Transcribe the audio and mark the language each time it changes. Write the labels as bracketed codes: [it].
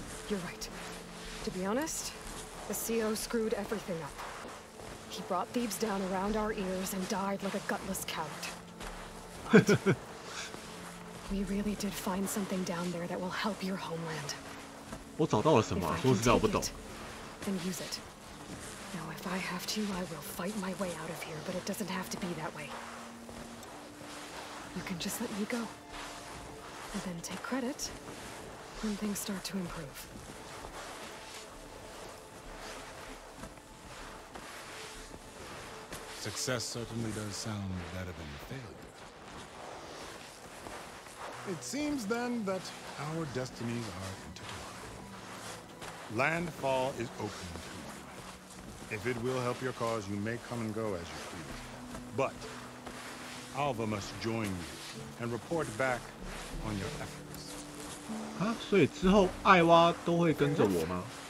[en] You're right. To be honest, the CEO screwed everything up. He brought Thebes down around our ears and died like a gutless coward. We really did find something down there that will help your homeland. [zh] 我找到了什么？说实在，我不懂。 [en] Then use it. Now, if I have to, I will fight my way out of here. But it doesn't have to be that way. You can just let me go, and then take credit when things start to improve. Success certainly does sound better than failure. It seems, then, that our destinies are intertwined. Landfall is open to you. If it will help your cause, you may come and go as you please. But Alva must join you and report back on your efforts. [zh] 啊，所以之后艾娃都会跟着我吗？